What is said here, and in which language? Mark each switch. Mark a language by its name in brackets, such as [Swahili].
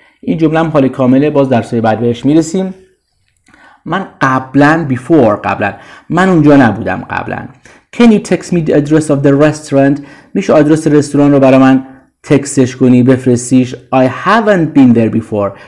[Persian] این جمله هم حال کامله، باز درسای بعد بهش میرسیم. من قبلن، before قبلن، من اونجا نبودم قبلن. [English] Can you text me the address of the restaurant. [Persian] میشه آدرس رستوران رو برای من تکستش کنی، بفرستیش؟ [English] I haven't been there before.